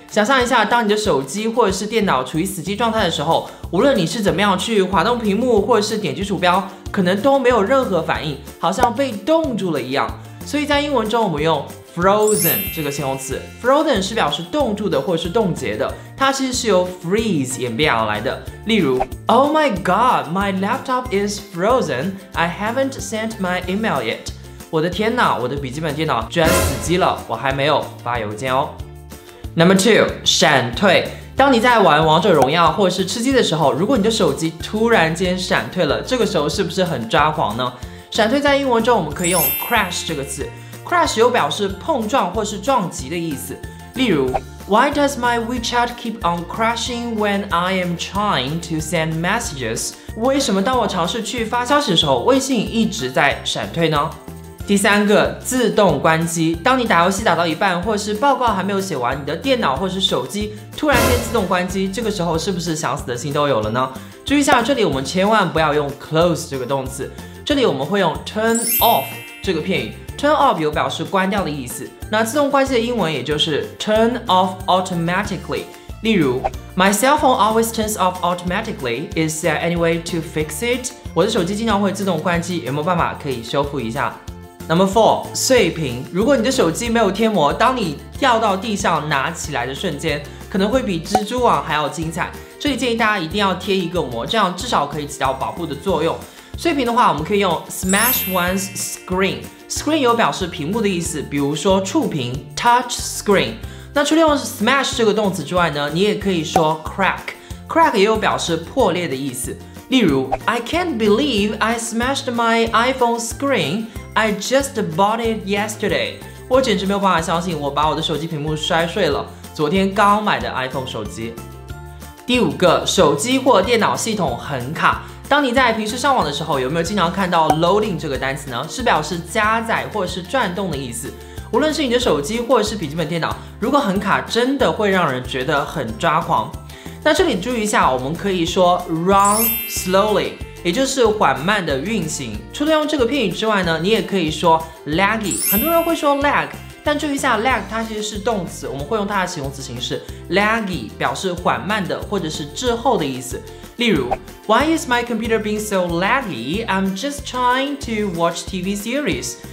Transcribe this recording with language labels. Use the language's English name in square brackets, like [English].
[Chinese] 想象一下，当你的手机或者是电脑处于死机状态的时候，无论你是怎么样去滑动屏幕或者是点击鼠标，可能都没有任何反应，好像被冻住了一样。所以在英文中我们用 frozen 这个形容词。frozen 是表示冻住的或者是冻结的，它其实是由 freeze 演变而来的。例如 [English] Oh my god, my laptop is frozen. I haven't sent my email yet. [Chinese] 我的天哪，我的笔记本电脑居然死机了，我还没有发邮件哦。 [English] Number two, 闪退。 [Chinese] 当你在玩王者荣耀或是吃鸡的时候，如果你的手机突然间闪退了，这个时候是不是很抓狂呢？闪退在英文中我们可以用 crash 这个词。crash 有表示碰撞或是撞击的意思。例如 [English] Why does my WeChat keep on crashing when I am trying to send messages? [Chinese] 为什么当我尝试去发消息的时候，微信一直在闪退呢？第三个，自动关机。当你打游戏打到一半，或是报告还没有写完，你的电脑或是手机突然间自动关机，这个时候是不是想死的心都有了呢？注意一下，这里我们千万不要用 close 这个动词，这里我们会用 turn off 这个片语。 Turn off 有表示关掉的意思，那自动关机的英文也就是 [English] turn off automatically。 [Chinese] 例如 [English] My cell phone always turns off automatically. Is there any way to fix it? [Chinese] 我的手机经常会自动关机，有没有办法可以修复一下？ [English] Number 4, 碎屏。 [Chinese] 如果你的手机没有贴膜，当你掉到地上拿起来的瞬间，可能会比蜘蛛网还要精彩。这里建议大家一定要贴一个膜，这样至少可以起到保护的作用。碎屏的话我们可以用 smash one's screen。screen 有表示屏幕的意思，比如说触屏 touch screen。那除了用 smash 这个动词之外呢，你也可以说 crack。 crack 也有表示破裂的意思。例如 [English] I can't believe I smashed my iPhone screen. I just bought it yesterday. [Chinese] 我简直没有办法相信我把我的手机屏幕摔碎了，昨天刚买的 iPhone 手机。第五个，手机或电脑系统很卡。当你在平时上网的时候，有没有经常看到 loading 这个单词呢？是表示加载或是转动的意思。无论是你的手机或是笔记本电脑，如果很卡，真的会让人觉得很抓狂。那这里注意一下，我们可以说 run slowly， 也就是缓慢的运行。除了用这个片语之外呢，你也可以说 laggy。很多人会说 lag， 但注意一下 lag 它其实是动词，我们会用它的形容词形式 laggy， 表示缓慢的或者是滞后的意思。例如 [English] Why is my computer being so laggy? I'm just trying to watch TV series.